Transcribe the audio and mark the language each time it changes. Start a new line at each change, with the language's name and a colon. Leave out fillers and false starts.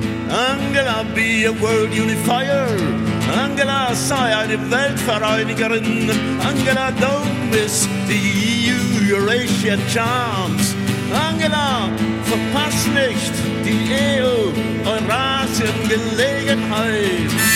English: Angela, be a world unifier.
German: Angela, sei eine Weltvereinigerin.
English: Angela, don't miss the EU Eurasian charms.
German: Angela, verpass nicht die EU-Eurasien-Gelegenheit.